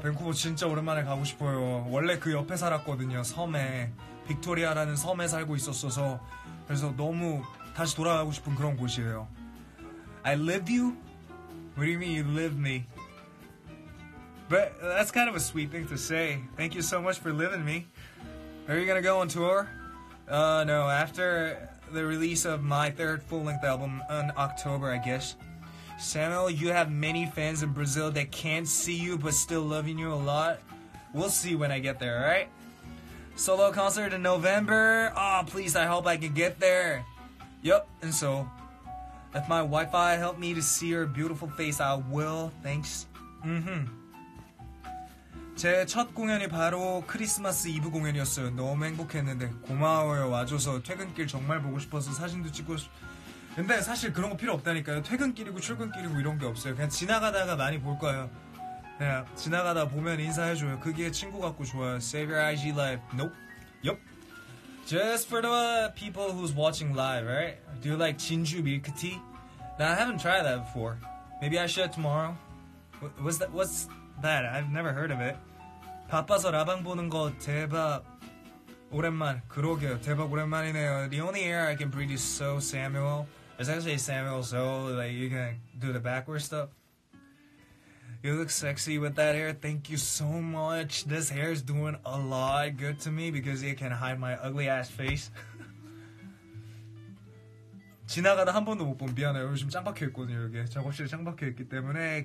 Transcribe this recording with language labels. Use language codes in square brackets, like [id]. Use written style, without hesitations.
[ko] 밴쿠버 진짜 오랜만에 가고 싶어요. 원래 그 옆에 살았거든요. 섬에. 빅토리아라는 섬에 살고 있었어서. 그래서 너무 다시 돌아가고 싶은 그런 곳이에요. [en] I live you? What do you mean you live me? But that's kind of a sweet thing to say. Thank you so much for living me. Are you gonna go on tour? No, after the release of my third full-length album in October, I guess. Samuel, you have many fans in Brazil that can't see you but still loving you a lot. We'll see when I get there, alright? Solo concert in November? Oh, please, I hope I can get there. Yup, and so, if my Wi-Fi helped me to see your beautiful face, I will. Thanks. Mm-hmm. [ko] 제 첫 공연이 바로 크리스마스 이브 공연이었어요. 너무 행복했는데 고마워요. 와줘서 퇴근길 정말 보고 싶어서 사진도 찍고 싶... 근데 사실 그런 거 필요 없다니까요. 퇴근길이고 출근길이고 이런 게 없어요. 그냥 지나가다가 많이 볼 거예요. 그냥 지나가다 보면 인사해줘요. 그게 친구 같고 좋아요. [en] Save your IG live. Nope. Yup. Just for the people who's watching live, right? Do you like Jinju milk tea? Now, I haven't tried that before. Maybe I should tomorrow. What's that? What's... That I've never heard of it. [ko] 바빠서 라방 보는 거 대박 오랜만 그러게요 대박 오랜만이네요. [en] The only air I can breathe is so Samuel. It's actually Samuel, so like you can do the backward stuff. You look sexy with that hair. Thank you so much. This hair is doing a lot good to me because it can hide my ugly ass face. [ko] 지나가다 한 번도 못 본 미안해요. 요즘 짱박혀 있거든요 여기 작업실에 짱박혀 있기 때문에.